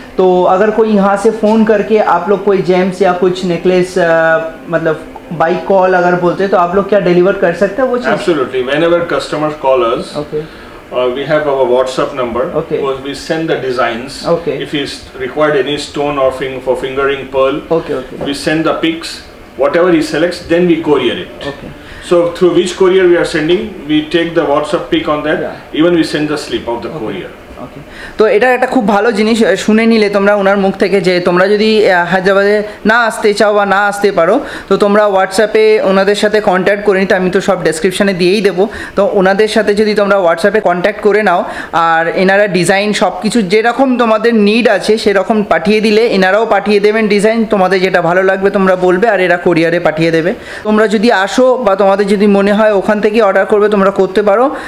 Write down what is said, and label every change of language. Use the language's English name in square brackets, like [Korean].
[Hindi] तो अगर कोई यहाँ से फ़ोन करके आप लोग कोई जेम्स या कुछ नेकलेस मतलब बाई कॉल अगर बोलते हैं तो आप लोग क्या डिलीवर कर सकते हैं वो चीज़ [English] Absolutely whenever customer call us we have our WhatsApp number okay we send the designs okay if he required any stone or for fingering pearl okay okay we send the pics whatever he selects then we courier it okay So through which courier we are sending, we take the WhatsApp pic on that, yeah. even we send the slip of the okay. courier. [Bangla] তো এটা একটা খুব ভালো জিনিস শুনে নিলে তোমরা ওনার মুখ থেকে যে তোমরা যদি হায়দ্রাবাদে না আসতে চাও বা না আসতে পারো তো তোমরা হোয়াটসঅ্যাপে ওনাদের সাথে কন্ট্যাক্ট করে নিতে আমি তো সব ডেসক্রিপশানে দিয়েই দেবো তো ওনাদের সাথে যদি তোমরা হোয়াটসঅ্যাপে কন্ট্যাক্ট করে নাও আর এনারা ডিজাইন সব কিছু যেরকম তোমাদের নিড আছে সেরকম পাঠিয়ে দিলে এনারাও পাঠিয়ে দেবেন ডিজাইন তোমাদের যেটা ভালো লাগবে তোমরা বলবে আর এরা কোরিয়ারে পাঠিয়ে দেবে তোমরা যদি আসো বা তোমাদের যদি মনে হয় ওখান থেকেই অর্ডার করবে তোমরা করতে পারো